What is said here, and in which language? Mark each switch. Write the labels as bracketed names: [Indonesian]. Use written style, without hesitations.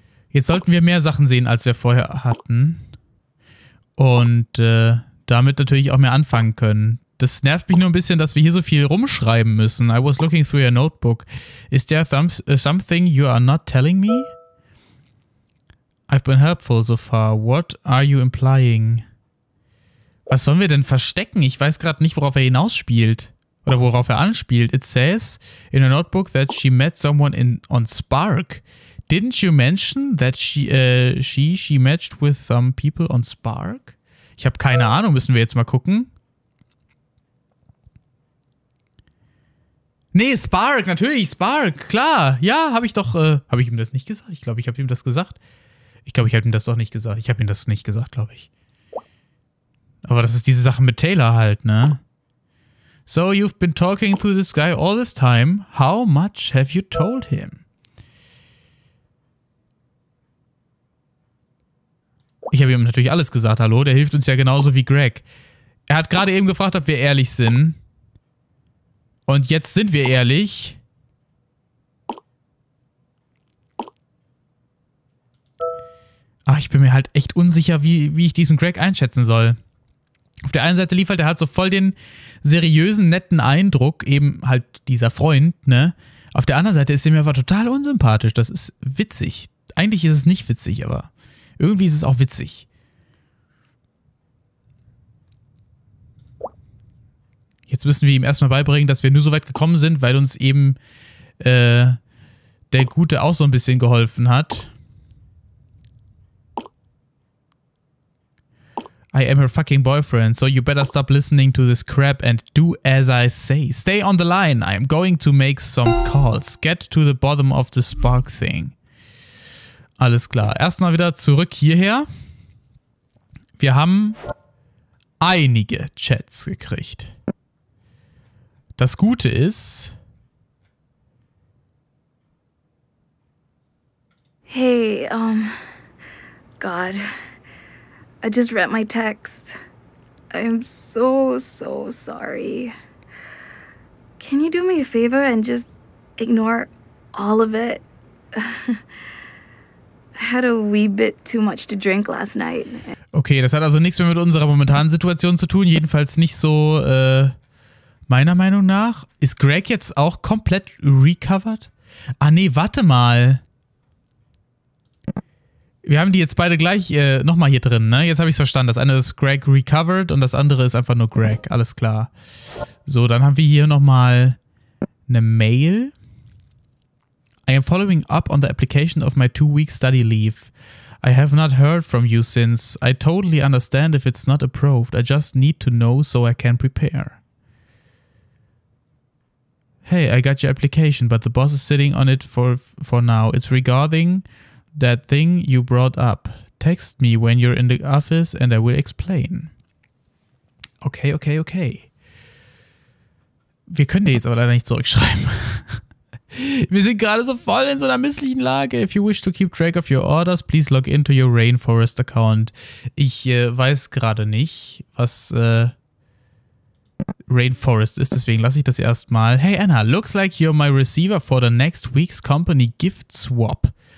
[German] Jetzt sollten wir mehr Sachen sehen, als wir vorher hatten. Und damit natürlich auch mehr anfangen können. Das nervt mich nur ein bisschen, dass wir hier so viel rumschreiben müssen. [English] I was looking through your notebook. Is there something you are not telling me? I've been helpful so far. What are you implying? [German] Was sollen wir denn verstecken? Ich weiß gerade nicht, worauf er hinausspielt. Oder worauf er anspielt. [English] It says in her notebook that she met someone on Spark. Didn't you mention that she matched with some people on Spark? [German] Ich habe keine Ahnung. Müssen wir jetzt mal gucken. Nee, Spark, natürlich, Spark, klar. Ja, habe ich doch, habe ich ihm das nicht gesagt? Ich glaube, ich habe ihm das gesagt. Ich glaube, ich habe ihm das doch nicht gesagt. Ich habe ihm das nicht gesagt, glaube ich. Aber das ist diese Sache mit Taylor halt, ne? [English] So, you've been talking to this guy all this time. How much have you told him? [German] Ich habe ihm natürlich alles gesagt, hallo. Der hilft uns ja genauso wie Greg. Er hat gerade eben gefragt, ob wir ehrlich sind. Und jetzt sind wir ehrlich. Ach, ich bin mir halt echt unsicher, wie ich diesen Greg einschätzen soll. Auf der einen Seite lief halt, der hat so voll den seriösen, netten Eindruck, eben halt dieser Freund, ne? Auf der anderen Seite ist er mir aber total unsympathisch. Das ist witzig. Eigentlich ist es nicht witzig, aber irgendwie ist es auch witzig. Jetzt müssen wir ihm erstmal beibringen, dass wir nur so weit gekommen sind, weil uns eben der Gute auch so ein bisschen geholfen hat. [English] I am her fucking boyfriend, so you better stop listening to this crap and do as I say. Stay on the line, I am going to make some calls. Get to the bottom of the Spark thing. [German] Alles klar. Erstmal wieder zurück hierher. Wir haben einige Chats gekriegt. Das Gute ist... [English] Hey, God, I just read my text. I'm so, so sorry. Can you do me a favor and just ignore all of it? I had a wee bit too much to drink last night. [German] Okay, das hat also nichts mehr mit unserer momentanen Situation zu tun. Jedenfalls nicht so, meiner Meinung nach. Ist Greg jetzt auch komplett recovered? Ah nee, warte mal. Wir haben die jetzt beide gleich nochmal hier drin, ne? Jetzt habe ich es verstanden. Das eine ist Greg recovered und das andere ist einfach nur Greg. Alles klar. So, dann haben wir hier nochmal eine Mail. [English] I am following up on the application of my 2-week study leave. I have not heard from you since. I totally understand if it's not approved. I just need to know so I can prepare. Hey, I got your application, but the boss is sitting on it for now. It's regarding that thing you brought up. Text me when you're in the office and I will explain. Okay, okay, okay. [German] Wir können dir jetzt aber leider nicht zurückschreiben. Wir sind gerade so voll in so einer misslichen Lage. [English] If you wish to keep track of your orders, please log into your Rainforest account. [German] Ich weiß gerade nicht, was... Rainforest ist, deswegen lasse ich das erstmal. [English] Hey Anna, looks like you're my receiver for the next week's company gift swap.